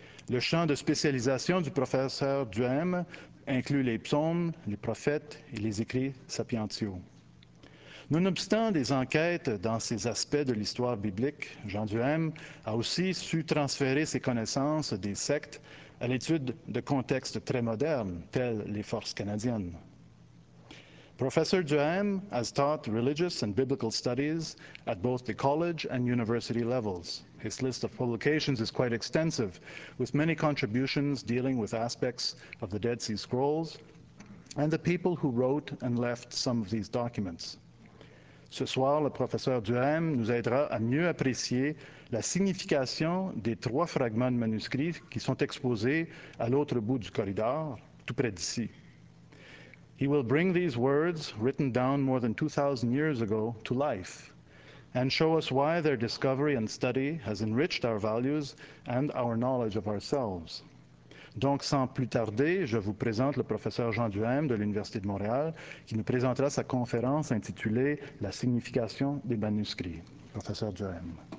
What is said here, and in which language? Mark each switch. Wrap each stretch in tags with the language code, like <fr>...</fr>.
<fr>Le champ de spécialisation du professeur Duhaime inclut les psaumes, les prophètes et les écrits sapientiaux. Nonobstant des enquêtes dans ces aspects de l'histoire biblique, Jean Duhaime a aussi su transférer ses connaissances des sectes à l'étude de contextes très modernes, tels les forces canadiennes.</fr> <en>Professor Duhaime has taught religious and biblical studies at both the college and university levels. His list of publications is quite extensive, with many contributions dealing with aspects of the Dead Sea Scrolls and the people who wrote and left some of these documents.</en> <fr>Ce soir, le professeur Duhaime nous aidera à mieux apprécier la signification des trois fragments de manuscrits qui sont exposés à l'autre bout du corridor, tout près d'ici.</fr> <en>He will bring these words, written down more than 2,000 years ago, to life, and show us why their discovery and study has enriched our values and our knowledge of ourselves.</en> <fr>Donc, sans plus tarder, je vous présente le professeur Jean Duhaime de l'Université de Montréal, qui nous présentera sa conférence intitulée « La signification des manuscrits ». Professeur Duhaime.</fr>